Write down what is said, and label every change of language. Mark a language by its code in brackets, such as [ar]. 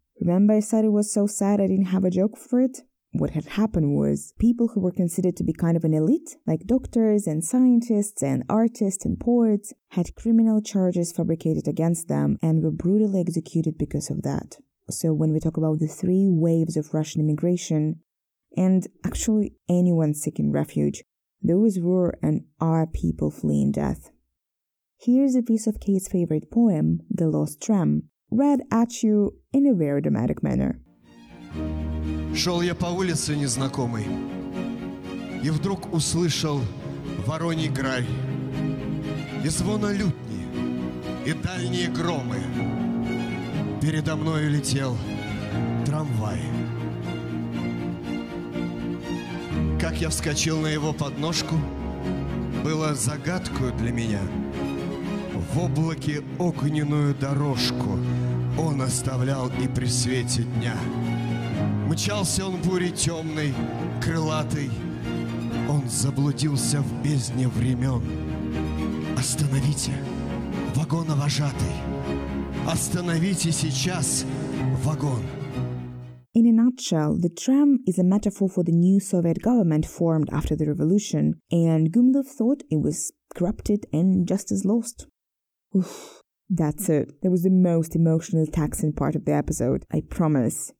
[en] Remember I said it was so sad I didn't have a joke for it? What had happened was, people who were considered to be kind of an elite, like doctors and scientists and artists and poets, had criminal charges fabricated against them and were brutally executed because of that. So when we talk about the three waves of Russian immigration, and actually anyone seeking refuge, those were and are people fleeing death. Here's a piece of Kate's favorite poem, The Lost Tram, read at you in a very dramatic manner. [ru] Шел я по улице незнакомой, и вдруг услышал вороний грай, и звона лютни, и дальние громы. Передо мною летел трамвай. Как я вскочил на его подножку, было загадкою для меня. В облаке огненную дорожку он оставлял и при свете дня. Мчался он бурей темной, крылатый, он заблудился в бездне времен. Остановите, вагоновожатый, остановите сейчас вагон. [en] In a nutshell, the tram is a metaphor for the new Soviet government formed after the revolution, and Gumilev thought it was corrupted and just as lost. Oof, that's it. That was the most emotional taxing part of the episode. I promise.